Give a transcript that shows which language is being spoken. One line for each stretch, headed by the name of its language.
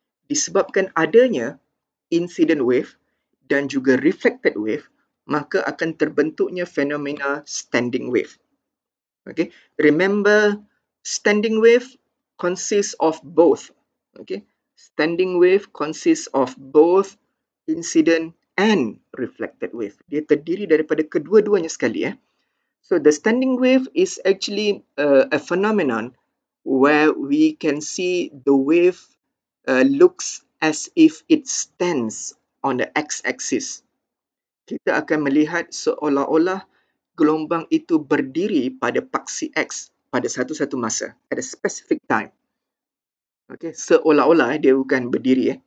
Malay: Disebabkan adanya incident wave dan juga reflected wave, maka akan terbentuknya fenomena standing wave.
English: Okay, remember, standing wave consists of both. Okay, standing wave consists of both incident and reflected wave.
Malay: Dia terdiri daripada kedua-duanya sekali.
English: So the standing wave is actually a phenomenon where we can see the wave looks as if it stands on the x-axis. Kita akan melihat seolah-olah gelombang itu berdiri pada paksi x pada satu-satu masa, at a specific time. Okay, seolah-olah dia bukan berdiri.